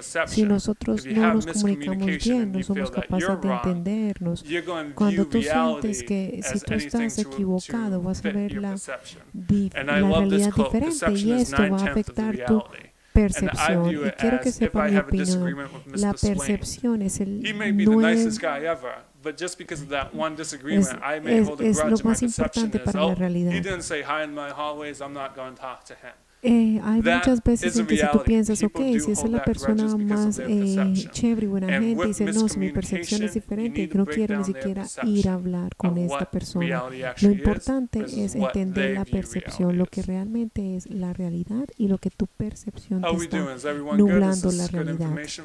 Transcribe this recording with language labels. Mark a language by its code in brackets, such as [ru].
[es] Si nosotros no nos comunicamos bien, no somos capaces de entendernos. Cuando tú sientes que si tú estás equivocado, vas a ver la realidad diferente y esto va a afectar tu percepción. Y quiero que sepa mi opinión. La percepción es el 9. [en] But just because of that one disagreement, I may hold a grudge to my perception [es] para la realidad. [en] He didn't say hi in my hallways, I'm not going to talk to him. [es] Hay muchas veces en que si tú piensas, ok, si esa es la persona más chévere y buena gente, dice, no, si mi percepción es diferente, no quiero ni siquiera ir a hablar con esta persona. Lo importante es entender la percepción, lo que realmente es la realidad y lo que tu percepción te está nublando la realidad.